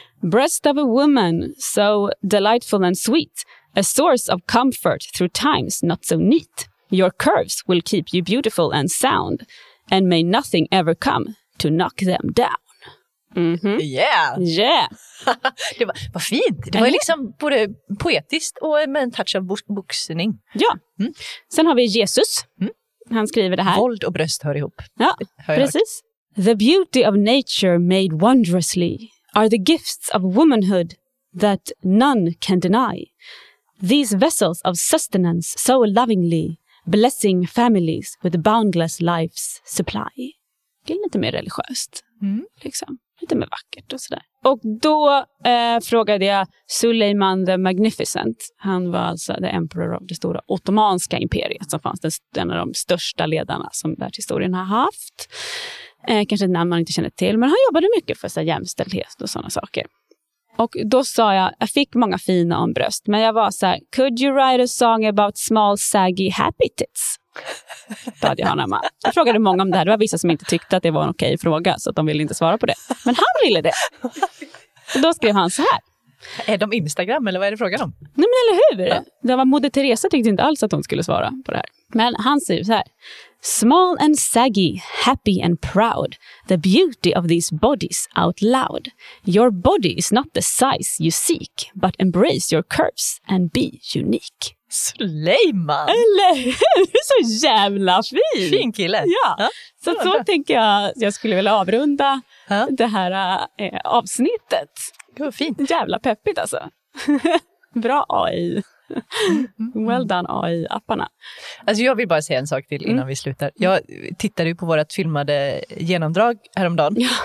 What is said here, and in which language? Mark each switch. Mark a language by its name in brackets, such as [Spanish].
[English] Breast of a woman, so delightful and sweet. A source of comfort through times not so neat. Your curves will keep you beautiful and sound. And may nothing ever come to knock them down. Mm-hmm. Yeah. Yeah. [Swedish] Det var, vad fint. Det var liksom både poetiskt och med en touch av boxning. Ja. Mm. Sen har vi Jesus. Mm. Han skriver det här. Våld och bröst hör ihop. Ja, precis. [English] The beauty of nature made wondrously are the gifts of womanhood that none can deny. These vessels of sustenance so lovingly blessing families with boundless life's supply. [Swedish] Det är lite mer religiöst. Mm. Liksom. Lite mer vackert och sådär. Och då frågade jag Suleiman the Magnificent. Han var alltså [English] the emperor [Swedish] av det stora ottomanska imperiet som fanns. En av de största ledarna som världshistorien har haft. Kanske ett namn man inte känner till, men han jobbade mycket för så här, jämställdhet och sådana saker. Och då sa jag, jag fick många fina om bröst, men jag var så här: [English] could you write a song about small saggy happy tits? [Swedish] Bad jag honom. Jag frågade många om det här. Det var vissa som inte tyckte att det var en okej fråga, så att de ville inte svara på det. Men han ville det. Och då skrev han så här. Är de Instagram eller vad är det frågan om? Nej, men eller hur? Ja. Det var Moder Teresa tyckte inte alls att hon skulle svara på det här. Men han säger så här. [English] Small and saggy, happy and proud. The beauty of these bodies out loud. Your body is not the size you seek, but embrace your curves and be unique. [Swedish] Suleiman! Eller hur? Så jävla fin! Fin kille! Ja, så ja, så tänker jag att jag skulle vilja avrunda det här avsnittet. Det var fint. Jävla peppigt alltså. Bra AI. [English] Well done [Swedish] AI-apparna. Alltså jag vill bara säga en sak till innan vi slutar. Jag tittade ju på vårt filmade genomdrag häromdagen.